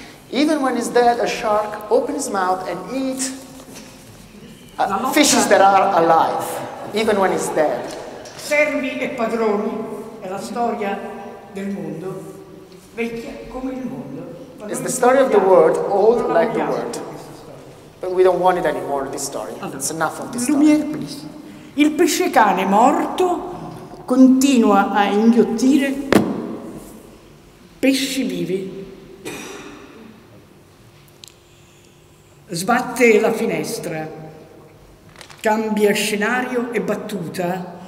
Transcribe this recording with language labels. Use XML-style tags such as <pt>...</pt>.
<en>Even when it's dead, a shark opens his mouth and eats fishes that are alive, even when it's dead.</en> <it>Servi e padroni è la storia del mondo, vecchia come il mondo.</it> <en>It's the story of the world, old like the world. But we don't want it anymore, this story. It's enough of this story. Lumière, please.</en> <it>Il pesce cane morto continua a inghiottire pesci vivi. Sbatte la finestra. Cambia scenario e battuta.</it>